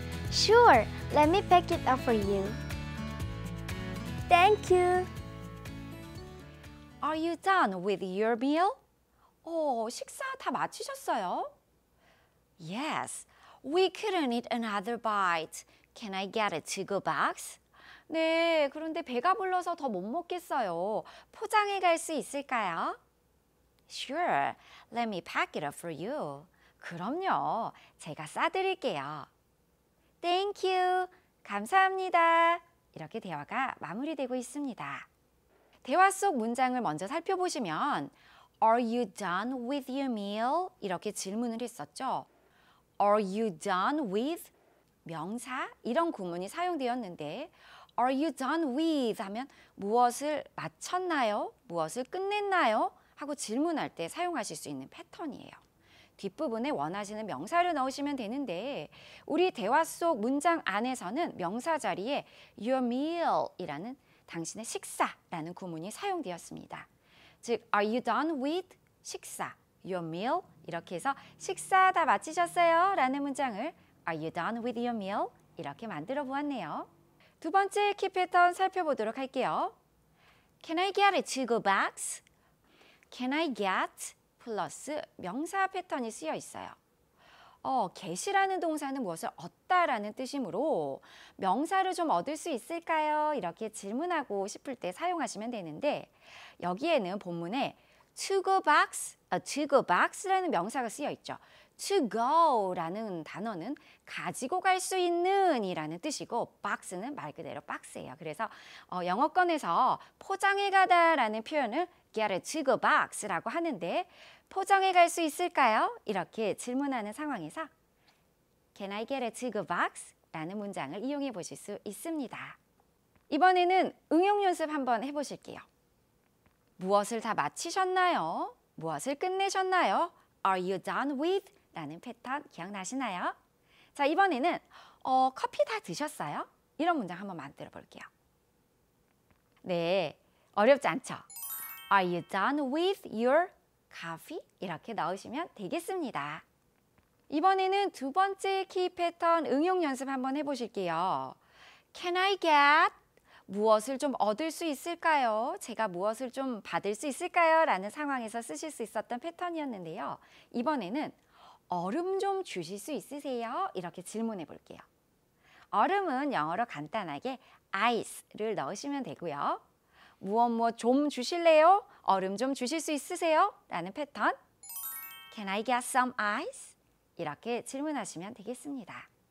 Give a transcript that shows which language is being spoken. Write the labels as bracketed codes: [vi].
[en] Sure, let me pack it up for you. Thank you. Are you done with your meal? [ko] 식사 다 마치셨어요? [en] Yes, we could eat another bite. Can I get a to-go box? [ko] 네, 그런데 배가 불러서 더 못 먹겠어요. 포장해 갈 수 있을까요? [en] Sure, let me pack it up for you. [ko] 그럼요, 제가 싸드릴게요. [en] Thank you, [ko] 감사합니다. 이렇게 대화가 마무리되고 있습니다. 대화 속 문장을 먼저 살펴보시면 [en] Are you done with your meal? [ko] 이렇게 질문을 했었죠. [en] Are you done with? [ko] 명사? 이런 구문이 사용되었는데 [en] Are you done with? [ko] 하면 무엇을 마쳤나요? 무엇을 끝냈나요? 하고 질문할 때 사용하실 수 있는 패턴이에요. 뒷부분에 원하시는 명사를 넣으시면 되는데 우리 대화 속 문장 안에서는 명사 자리에 [en] your meal [ko] 이라는 당신의 식사라는 구문이 사용되었습니다. [en] 즉, Are you done with 식사? Your meal? [ko] 이렇게 해서 식사 다 마치셨어요? 라는 문장을 [en] Are you done with your meal? [ko] 이렇게 만들어 보았네요. 두 번째 키 패턴 살펴보도록 할게요. [en] Can I get a to-go box? Can I get [ko] 플러스 명사 패턴이 쓰여 있어요. get이라는 동사는 무엇을 얻다라는 뜻이므로 명사를 좀 얻을 수 있을까요? 이렇게 질문하고 싶을 때 사용하시면 되는데 여기에는 본문에 to go box라는 명사가 쓰여 있죠. to go라는 단어는 가지고 갈 수 있는 이라는 뜻이고 box는 말 그대로 박스예요. 그래서 영어권에서 포장해 가다 라는 표현을 get a to go box라고 하는데 포장해 갈 수 있을까요? 이렇게 질문하는 상황에서 Can I get a to-go box? 라는 문장을 이용해 보실 수 있습니다. 이번에는 응용 연습 한번 해보실게요. 무엇을 다 마치셨나요? 무엇을 끝내셨나요? [en] Are you done with? [ko] 라는 패턴 기억나시나요? 자, 이번에는 커피 다 드셨어요? 이런 문장 한번 만들어 볼게요. 네, 어렵지 않죠? [en] Are you done with your coffee? [ko] 이렇게 넣으시면 되겠습니다. 이번에는 두 번째 키 패턴 응용 연습 한번 해보실게요. [en] Can I get [ko] 무엇을 좀 얻을 수 있을까요? 제가 무엇을 좀 받을 수 있을까요? 라는 상황에서 쓰실 수 있었던 패턴이었는데요. 이번에는 얼음 좀 주실 수 있으세요? 이렇게 질문해 볼게요. 얼음은 영어로 간단하게 ice를 넣으시면 되고요. 무엇 좀 주실래요? 얼음 좀 주실 수 있으세요? 라는 패턴 [en] Can I get some ice? [ko] 이렇게 질문하시면 되겠습니다.